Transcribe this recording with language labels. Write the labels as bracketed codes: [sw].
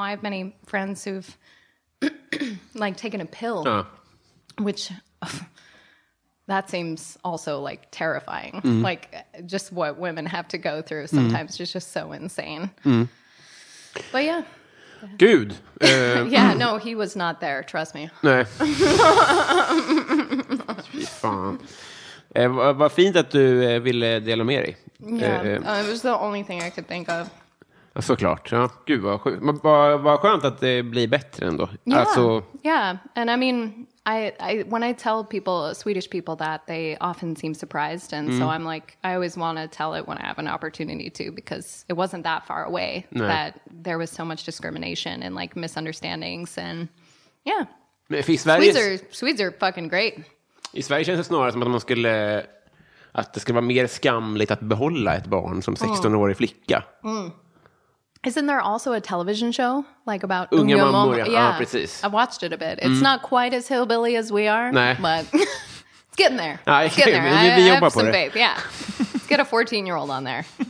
[en] I have many friends who've like taken a pill, which that seems also like terrifying. Like just what women have to go through sometimes is just so insane. But yeah. [sv] Gud. [en] Yeah, no, he was not there, trust me. [sv] Nej. Fy fan. Vad fint att du ville dela med dig. [en] Yeah, it was the only thing I could think of. [sv] Såklart, ja. Gud vad skönt. Vad skönt att det blir bättre ändå. [en] Yeah, alltså, yeah. And I mean, I when I tell people, Swedish people, that, they often seem surprised. And so I'm like, I always want to tell it when I have an opportunity to, because it wasn't that far away. [sv] Nej. [en] That there was so much discrimination and like misunderstandings. And yeah. [sv] Men i Sverige, [en] Swedes are fucking great. [sv] I Sverige känns det snarare som att man skulle, att det skulle vara mer skamligt att behålla ett barn som 16-årig flicka. [en] Isn't there also a television show like about [sv] unga mammor? [en] Yeah, [sv] ah, precis. [en] I've watched it a bit. It's not quite as hillbilly as we are. [sv] Nej. [en] But it's getting there. [sv] Ja, [en] it's getting there. [sv] Vi jobbar på det. [en] Babe. Yeah. Let's get a 14-year-old on there.